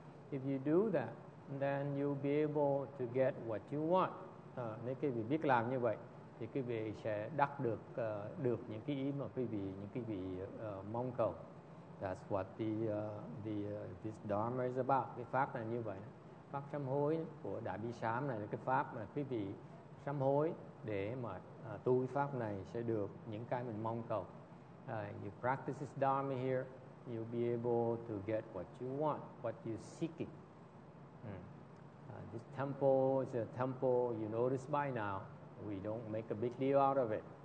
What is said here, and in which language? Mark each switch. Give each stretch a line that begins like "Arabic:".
English: If you do that, then you'll be able to get what you want.
Vietnamese: Nếu quý vị biết làm như vậy thì quý vị sẽ đắc được được những cái ý mà quý vị mong cầu.
English: That's what this Dharma is about.
Vietnamese: Cái pháp này như vậy, pháp sám hối của Đại Bi Sám này là cái pháp mà quý vị sám hối để mà tu pháp này sẽ được những cái mình mong cầu.
English: You practice this Dharma here, you'll be able to get what you want, what you're seeking. This temple is a temple you notice by now. We don't make a big deal out of it.